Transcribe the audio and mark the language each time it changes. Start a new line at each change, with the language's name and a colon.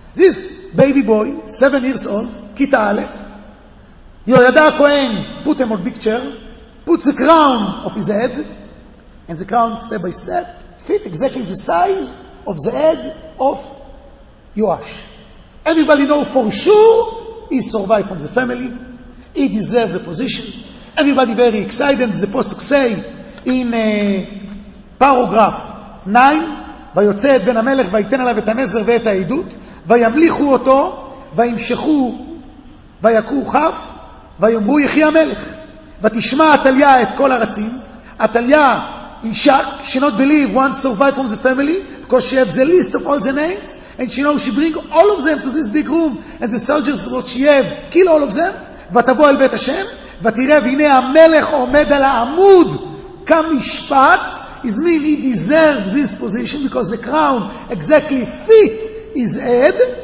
English: This baby boy, 7 years old, Kita Aleph, Yoyada HaKohen put him on a big chair, put the crown of his head, and the crown, step by step, fit exactly the size of the head of Yoash. Everybody knows for sure he survived from the family. He deserves the position. Everybody very excited. The Pasuk say in paragraph 9,
Hebrew: ויוצא את בן המלך ויתן עליו את הנזר ואת העדות, וימליכו אותו, וימשכו, ויקעו חף, ויאמרו יחי המלך. ותשמע עתליה את כל הרצים.
English: עתליה in shock, she not believe one survived from the family, because she have the list of all the names, and she knows she bring all of them to this big room, and the soldiers what she have, kill all of them,
Hebrew: ותבוא אל בית השם, ותראה והנה המלך עומד על העמוד, כמשפט,
English: is mean he deserves this position, because the crown exactly fit his head,